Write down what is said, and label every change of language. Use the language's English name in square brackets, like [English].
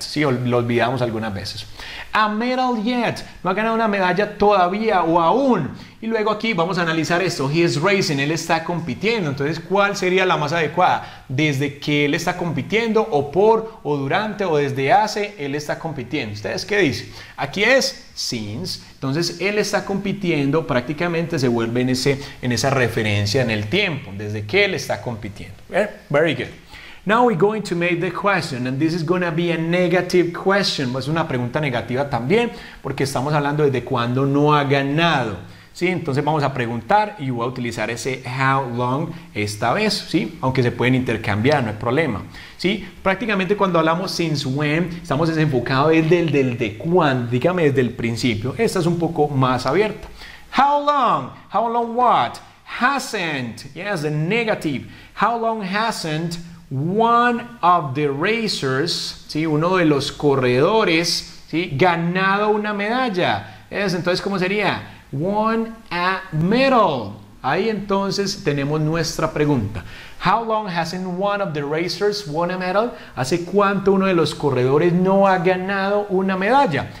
[Spanish] Sí, lo olvidamos algunas veces. [English] A medal yet. [Spanish] No ha ganado una medalla todavía o aún. Y luego aquí vamos a analizar esto. [English] He is racing. [Spanish] Él está compitiendo. Entonces, ¿cuál sería la más adecuada? ¿Desde que él está compitiendo o por o durante o desde hace él está compitiendo? ¿Ustedes qué dicen? Aquí es since. Entonces, él está compitiendo. Prácticamente se vuelve en esa referencia en el tiempo. ¿Desde que él está compitiendo? [English] Very good. Now we're going to make the question, and this is going to be a negative question. [Spanish] Es una pregunta negativa también, porque estamos hablando desde cuándo no ha ganado. ¿Sí? Entonces vamos a preguntar y voy a utilizar ese how long esta vez, ¿sí? Aunque se pueden intercambiar, no hay problema. ¿Sí? Prácticamente cuando hablamos since when, estamos desenfocados desde cuándo, dígame desde el principio. Esta es un poco más abierta. [English] How long? How long what? Hasn't. Yes, the negative. How long hasn't one of the racers, ¿sí? [Spanish] Uno de los corredores, ¿sí? Ganado una medalla. ¿Sí? Entonces, ¿cómo sería? [English] Won a medal. [Spanish] Ahí entonces tenemos nuestra pregunta. [English] How long hasn't one of the racers won a medal? [Spanish] ¿Hace cuánto uno de los corredores no ha ganado una medalla?